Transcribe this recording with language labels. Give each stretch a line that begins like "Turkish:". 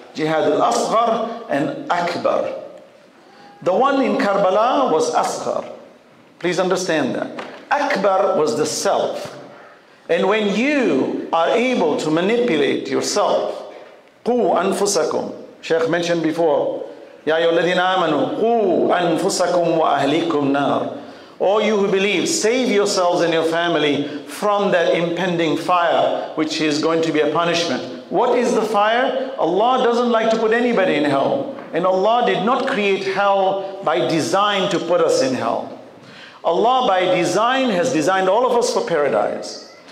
English: Jihad al-Asghar and Akbar. The one in Karbala was Asghar. Please understand that. Akbar was the self. And when you are able to manipulate yourself,
Arabic: قو أنفسكم.
English: Sheikh mentioned before,
Arabic: يا أيها الذين آمنوا قو أنفسكم وأهليكم نار.
English: All you who believe, save yourselves and your family from that impending fire, which is going to be a punishment. What is the fire? Allah doesn't like to put anybody in hell. And Allah did not create hell by design to put us in hell. Allah by design has designed all of us for paradise.